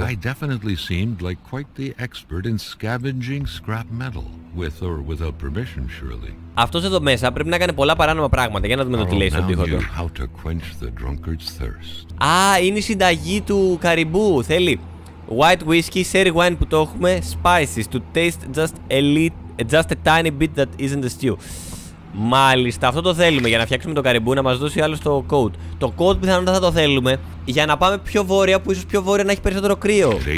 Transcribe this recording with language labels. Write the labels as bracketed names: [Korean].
[English] The guy definitely seemed like quite the expert in scavenging scrap metal, with or without permission, surely. [Greek] Αυτός εδώ μέσα πρέπει να κάνει πολλά παράνομα πράγματα. Για να δούμε το τι λέει στον τοίχο του. [English] How to quench the drunkard's thirst. [Greek] Α, είναι η συνταγή του καριμπού. Θέλει [English] white whiskey, sherry wine [Greek] που το έχουμε, [English] spices to taste just a little, just a tiny bit that isn't a stew. [Greek] Μάλιστα, αυτό το θέλουμε για να φτιάξουμε το καριμπού, να μας δώσει άλλο το coat. Το coat πιθανότατα θα το θέλουμε για να πάμε πιο βόρεια, που ίσως πιο βόρεια να έχει περισσότερο κρύο.